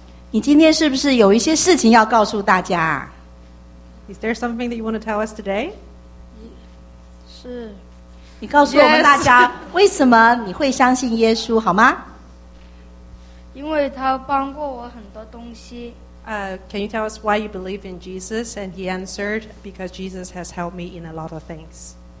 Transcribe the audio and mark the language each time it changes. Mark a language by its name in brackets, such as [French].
[Chinese] 你今天是不是有一些事情要告诉大家 [English] ？Is there something that you want to tell us today? [Chinese] 是。你告诉我们大家，为什么你会相信耶稣，好吗？因为他帮过我很多东西。 [English] Can you tell us why you believe in Jesus? And he answered, because Jesus has helped me in a lot of things.